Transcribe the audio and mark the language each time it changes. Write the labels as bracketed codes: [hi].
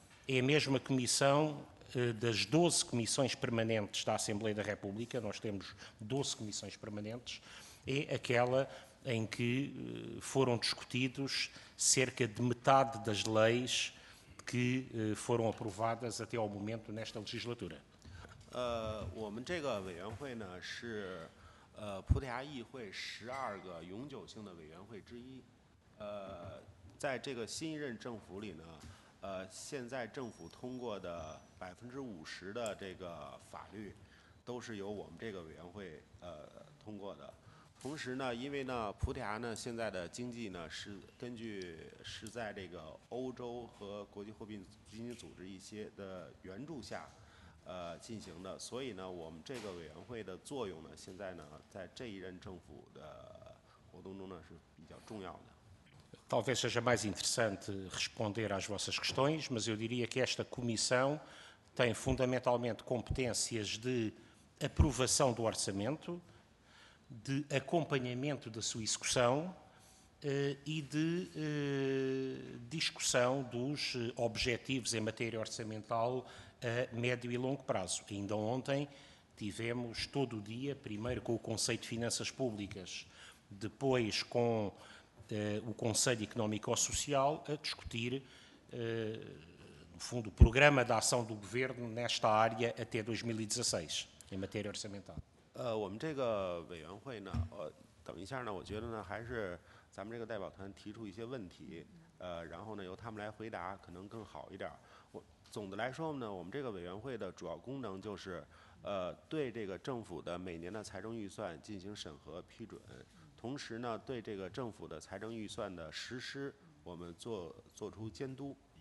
[pt] É a mesma comissão das 12 comissões permanentes da Assembleia da República. Nós temos 12 comissões permanentes. É aquela em que foram discutidos cerca de metade das leis que foram aprovadas até ao momento nesta legislatura. [zh] 我们这个委员会呢是，葡萄牙议会12个永久性的委员会之一。在这个新一任政府里呢，现在政府通过的50%的这个法律，都是由我们这个委员会通过的。同时呢，因为呢，葡萄牙呢现在的经济呢是在这个欧洲和国际货币基金组织一些的援助下，进行的，所以呢，我们这个委员会的作用呢，现在呢，在这一任政府的活动中呢，是比较重要的。 [pt] Talvez seja mais interessante responder às vossas questões, mas eu diria que esta comissão tem fundamentalmente competências de aprovação do orçamento, de acompanhamento da sua execução e de discussão dos objetivos em matéria orçamental a médio e longo prazo. Ainda ontem tivemos todo o dia, primeiro com o Conselho de Finanças Públicas, depois com o Conselho Económico e Social a discutir, no fundo, o programa de ação do Governo nesta área até 2016, em matéria orçamental. [zh] 我们这个委员会呢，等一下呢，我觉得呢，还是咱们这个代表团提出一些问题，然后呢，由他们来回答，可能更好一点。总的来说呢，我们这个委员会的主要功能就是，对这个政府的每年的财政预算进行审核批准，同时呢，对这个政府的财政预算的实施，我们做出监督。